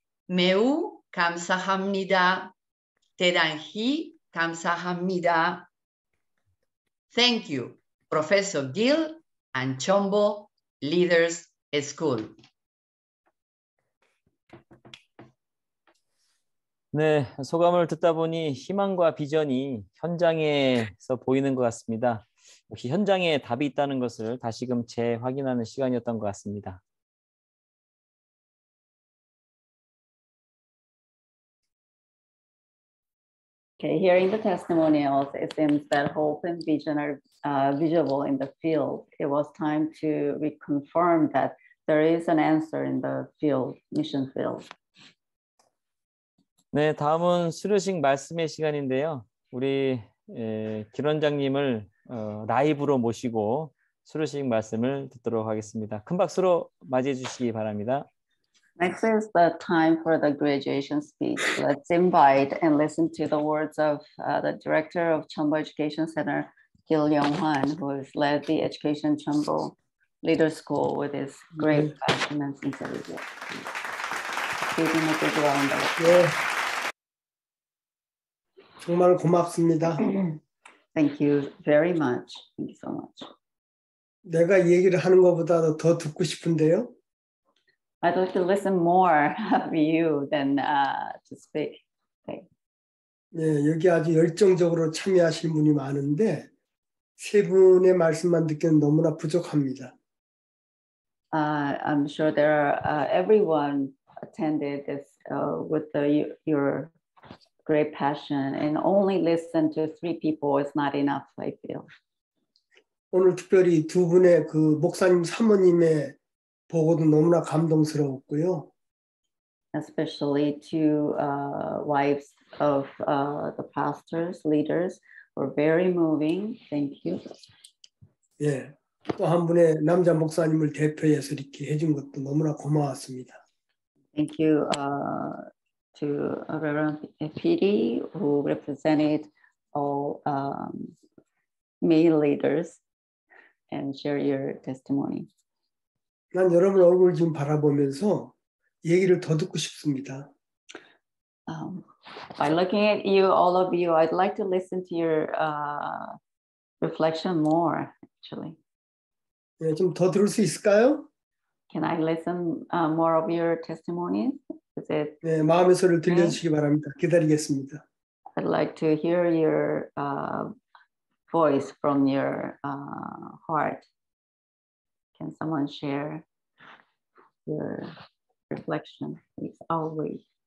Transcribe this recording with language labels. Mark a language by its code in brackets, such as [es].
[en] Meu kamsahamnida, tedanhi kamsahamnida. Thank you, Professor Gil and Chombo Leaders School. [ko] 네, 소감을 듣다 보니 희망과 비전이 현장에서 보이는 것 같습니다. 역시 현장에 답이 있다는 것을 다시금 재확인하는 시간이었던 것 같습니다. [en] Okay, hearing the testimonials, it seems that hope and vision are visible in the field. It was time to reconfirm that there is an answer in the field, mission field. [ko] 네, 다음은 수료식 말씀의 시간인데요. 우리 기원장님을 라이브로 모시고 수료식 말씀을 듣도록 하겠습니다. 큰 박수로 맞이해 주시기 바랍니다. [en] Next is the time for the graduation speech. Let's invite and listen to the words of the director of Chambo Education Center, Gil Young-hwan, who has led the Education Chambo Leader School with his great passion and sincerity. Please make a round of applause. [ko] 정말 고맙습니다. [en] Thank you very much. Thank you so much. [ko] 내가 얘기를 하는 것보다도 더 듣고 싶은데요. [en] I'd like to listen more of you than to speak. Okay. [ko] 네, 여기 아주 열정적으로 참여하실 분이 많은데 세 분의 말씀만 듣기는 너무나 부족합니다. [en] I'm sure there are everyone attended this with your great passion, and only listen to three people is not enough, I feel. [ko] 오늘 특별히 두 분의 그 목사님 사모님의 보고도 너무나 감동스러웠고요. [en] Especially two wives of the pastors, leaders, were very moving. Thank you. [ko] 예, 또 한 분의 남자 목사님을 대표해서 이렇게 해준 것도 너무나 고마웠습니다. [en] Thank you to Reverend PD, who represented all male leaders and share your testimony. [ko] 난 여러분 얼굴 지금 바라보면서 얘기를 더 듣고 싶습니다. [en] By looking at you, all of you, I'd like to listen to your reflection more, actually. [ko] 네, 좀 더 들을 수 있을까요? [en] Can I listen more of your testimonies? Is it? [ko] 네, 마음의 소리를 들려주시기 바랍니다. 기다리겠습니다. [en] I'd like to hear your voice from your heart. Can someone share your reflection? It's always.